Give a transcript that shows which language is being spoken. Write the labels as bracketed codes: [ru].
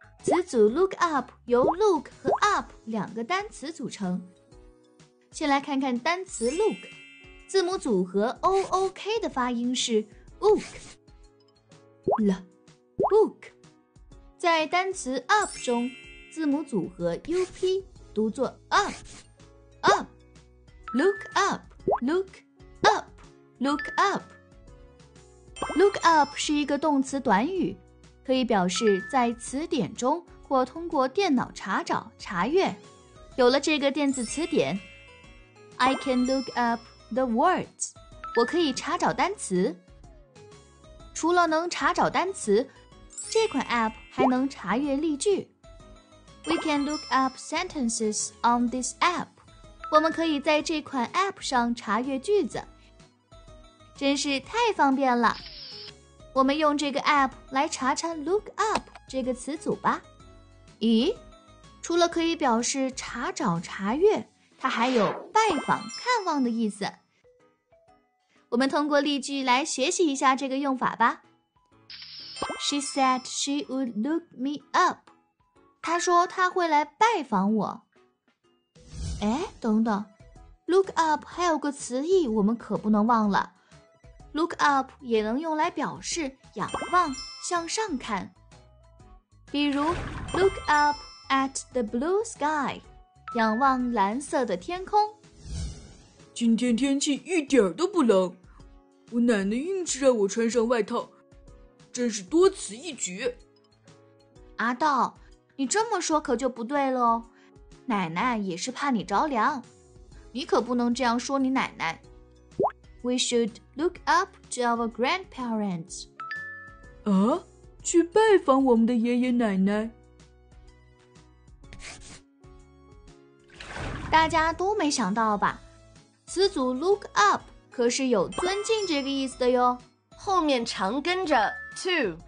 [zh] 词组 look up 由 look 和 up 两个单词组成。先来看看单词 look， 字母组合 O O K 的发音是 look， l book。在单词 up 中，字母组合 U P 读作 up。 [en] Up, look up, look up, look up. [zh] Look up 是一个动词短语，可以表示在词典中或通过电脑查找、查阅。有了这个电子词典， [en] I can look up the words. [zh] 我可以查找单词。除了能查找单词，这款 app 还能查阅例句。 [en] We can look up sentences on this app. [zh] 我们可以在这款 APP 上查阅句子，真是太方便了。我们用这个 APP 来查查 look up 这个词组吧。咦，除了可以表示查找查阅，它还有拜访看望的意思。我们通过例句来学习一下这个用法吧。 [en] She said she would look me up. [zh] 她说她会来拜访我。哎，等等， look up 还有个词义我们可不能忘了。 look up 也能用来表示仰望、向上看。 [en] 比如 look up at the blue sky， [zh] 仰望蓝色的天空。今天天气一点都不冷，我奶奶硬是让我穿上外套，真是多此一举。阿道，你这么说可就不对了哦，奶奶也是怕你着凉，你可不能这样说你奶奶。 [en] We should look up to our grandparents. [zh] 啊，去拜访我们的爷爷奶奶。大家都没想到吧？词组 look up 可是有尊敬这个意思的哟，后面常跟着 to，